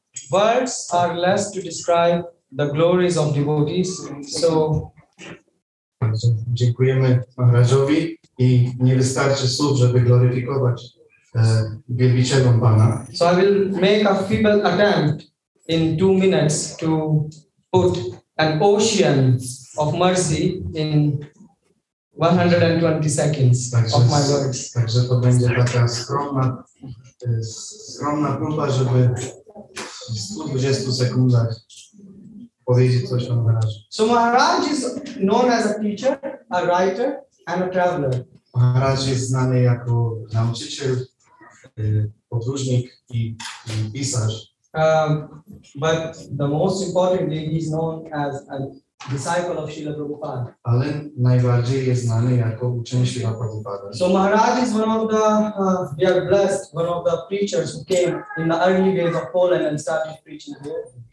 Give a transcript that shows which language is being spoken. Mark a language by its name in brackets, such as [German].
[English] Words are less to describe the glories of devotees. So, [Polish] dziękujemy Maharajowi i nie wystarczy słów, żeby gloryfikować wielbiciela Pana. [English] So I will make a feeble attempt in 2 minutes to put an ocean of mercy in 120 seconds of my words. [Polish] Także to będzie taka skromna próba, żeby w 120 sekundach powiedzieć coś o Maharaju. [English] So Maharaj is known as a teacher, a writer and a traveler. [Polish] Maharaj jest znany jako nauczyciel, podróżnik i pisarz. [English] But the most important thing, he is known as a disciple of Srila Prabhupada. [Polish] Ale najbardziej jest znany jako uczeń Srila Prabhupada. [English] So Maharaj is one of the, we are blessed, one of the preachers who came in the early days of Poland and started preaching here.